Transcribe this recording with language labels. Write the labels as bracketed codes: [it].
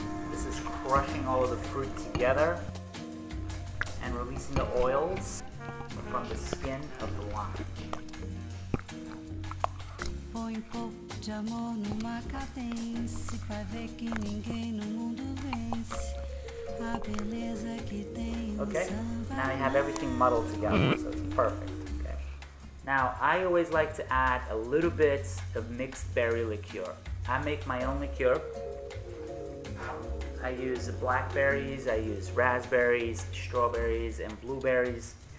[en] This is crushing all of the fruit together and releasing the oils from the skin of the lime. [pt] Põe um pouco de amor numa cadence, pra ver que ninguém no mundo vence. [en] Okay, now I have everything muddled together, so it's perfect. Okay. Now, I always like to add a little bit of mixed berry liqueur. I make my own liqueur. I use blackberries, I use raspberries, strawberries, and blueberries.